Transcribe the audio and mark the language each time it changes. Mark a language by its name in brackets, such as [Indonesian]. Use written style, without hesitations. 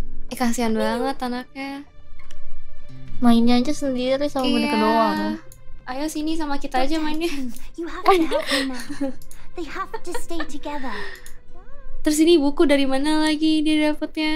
[Indonesian] Eh, kasihan banget anaknya. Mainnya aja sendiri sama boneka doang. Ayo sini sama kita aja mainnya. [English] You have to help them. They have to stay together. [Indonesian] Terus ini buku dari mana lagi dia dapetnya?